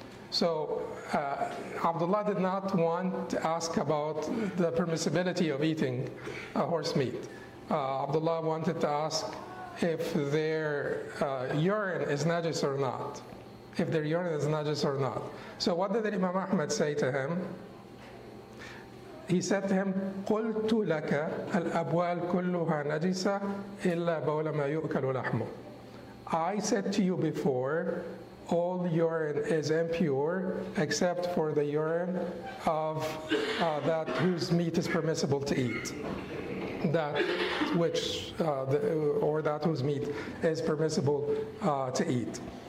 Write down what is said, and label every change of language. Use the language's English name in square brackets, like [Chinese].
[English] So Abdullah did not want to ask about the permissibility of eating horse meat. Abdullah wanted to ask if their urine is najis or not. If their urine is najis or not. So what did Imam Ahmad say to him? He said to him, [Arabic] قُلْتُ لَكَ الْأَبْوَالْ كُلُّهَا نَجِسَ إِلَّا بَوْلَ مَا يُؤْكَلُ لَحْمُ. [English] I said to you before, all urine is impure except for the urine of that whose meat is permissible to eat. That which, or that whose meat is permissible to eat.